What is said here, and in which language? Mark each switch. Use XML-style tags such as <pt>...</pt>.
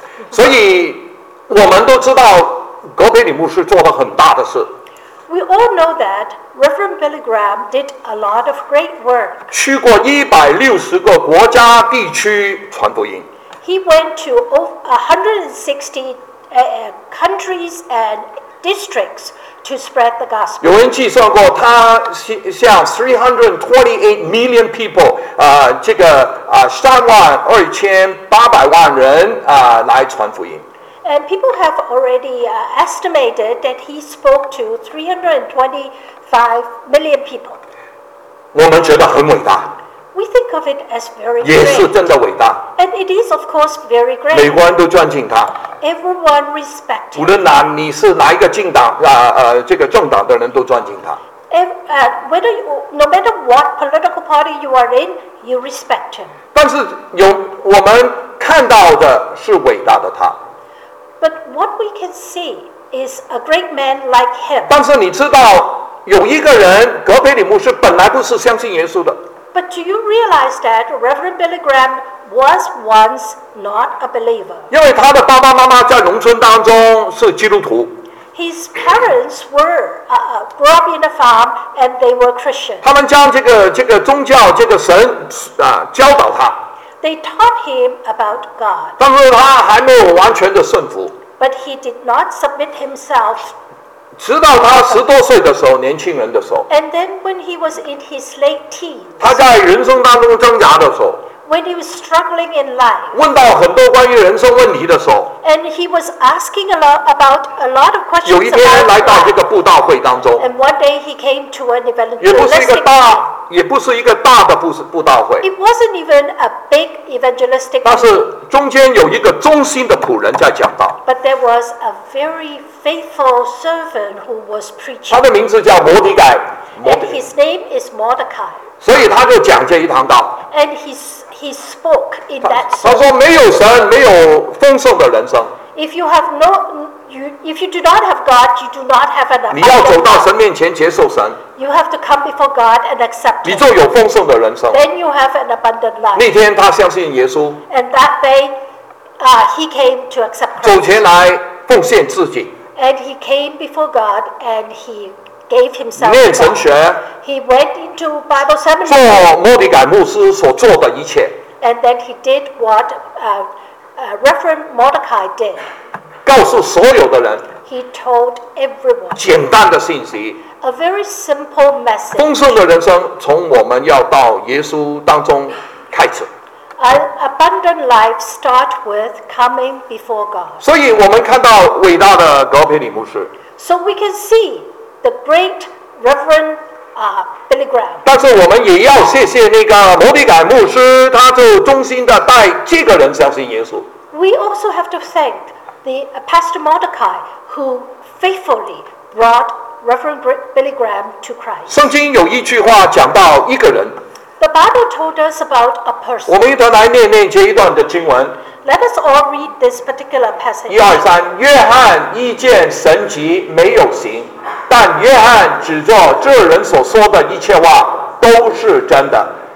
<zh>所以我们都知道格培里牧师做了很大的事。</zh> <en>We all know that Reverend Billy Graham did a lot of great work.</en> <zh>去过160个国家地区传福音。</zh> <en>He went to over 160 countries and districts to spread the gospel.</en> <zh>有人计算过，他向</zh> <en>328 million people</en> <zh>这个32,800万人来传福音。</zh> <en>And people have already estimated that he spoke to 325 million people.</en> <zh>我们觉得很伟大。</zh> <en>We think of it as very great.</en> <zh>也是真的伟大。</zh> <en>And it is, of course, very great.</en> <zh>每个人都尊敬他。</zh> <en>Everyone respects him.</en> <zh>无论你是哪一个政党这个政党的人都尊敬他。</zh> <en>No matter what political party you are in, you respect him.</en> <zh>但是我们看到的是伟大的他。</zh> <en>But what we can see is a great man like him.</en> <zh>但是你知道有一个人，格培里牧师本来不是相信耶稣的。</zh> <en>But do you realize that Reverend Billy Graham was once not a believer?</en> <zh>因为他的爸爸妈妈在农村当中是基督徒。</zh> <en>His parents were grew up in a farm and they were Christian.</en> <zh>他们将这个宗教这个神教导他。</zh> <en>They taught him about God.</en> <zh>但是他还没有完全的顺服。</zh> <en>But he did not submit himself.</en> <zh>直到他十多岁的时候，年轻人的时候。</zh> <en>And then when he was in his late teens.</en> <zh>他在人生当中挣扎的时候。</zh> <en>When he was struggling in life.</en> <zh>问到很多关于人生问题的时候。</zh> <en>And he was asking about a lot of questions.</en> <zh>有一天来到这个布道会当中。</zh> <en>And one day he came to an evangelistic.</en> <zh>也不是一个大的布道会。</zh> <en>It wasn't even a big evangelistic.</en> <zh>但是中间有一个忠心的仆人在讲道。</zh> <en>But there was a very faithful servant who was preaching.</en> <zh>他的名字叫摩迪盖。</zh> <en>And his name is Mordecai.</en> <zh>所以他就讲这一堂道。</zh> <en>And he spoke in that.</en> <zh>他说没有神，没有丰盛的人生。</zh> <en>If you have no, if you do not have God, you do not have an.</en> <zh>你要走到神面前接受神。</zh> <en>You have to come before God and accept.</en> <zh>你就有丰盛的人生。</zh> <en>Then you have an abundant life.</en> <zh>那天他相信耶稣。</zh> <en>And that day, he came to accept.</en> <zh>走前来奉献自己。</zh> <en>And he came before God and he gave himself.</en> <zh>念神学。</zh> <en>He went into Bible seminary.</en> <zh>做摩迪盖牧师所做的一切。</zh> <en>And then he did what. Reverend Mordecai did.</en> <zh>告诉所有的人。</zh> <en>He told everyone.</en> <zh>简单的信息。</zh> <en>A very simple message.</en> <zh>丰盛的人生从我们要到耶稣当中开始。</zh> <en>An abundant life start with coming before God.</en> <zh>所以我们看到伟大的格培里牧师。</zh> <en>So we can see the great Reverend Billy Graham.</en> <zh>但是我们也要谢谢那个摩迪盖牧师，他就忠心的带这个人相信耶稣。</zh> <en>We also have to thank the Pastor Mordecai who faithfully brought Reverend Billy Graham to Christ.</en> <zh>圣经有一句话讲到一个人。</zh> <en>The Bible told us about a person.</en> <zh>我们一同来念念这一段的经文。</zh> <en>Let us all read this particular passage.</en> <zh>1-2-3，约翰一见神迹没有行，但约翰指着这人所说的一切话都是真的。</zh>